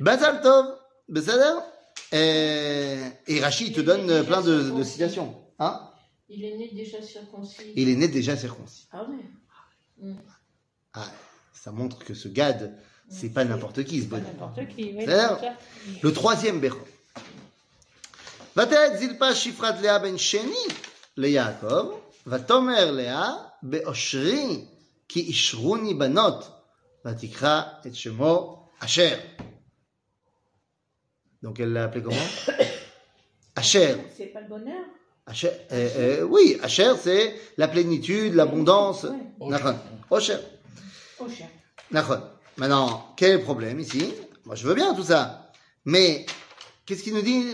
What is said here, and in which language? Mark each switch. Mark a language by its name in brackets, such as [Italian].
[French] Basal tome. Basaler. Et Rachid te donne plein de citations. Hein ? Il est né déjà circoncis. Il est né déjà circoncis. Ah ouais. Ah, ça montre que ce Gad, c'est pas n'importe qui, ce bonheur. C'est pas n'importe qui, oui. Le troisième Béron. [Hebrew] ותעד זלפה שפרת לאה בן שני ליעקב, ותאמר לאה באושרי כי אישרוני בנות, ותקרא את שמו אשר. [French] Donc elle l'a appelé comment? [Hebrew] אשר. [French] C'est pas le bonheur? Oui, [Hebrew] אשר [French] c'est la plénitude, l'abondance. [Hebrew] נכון. אושר. נכון. [French] Maintenant, quel est le problème ici? Moi je veux bien tout ça. Mais... Qu'est-ce qu'il nous dit?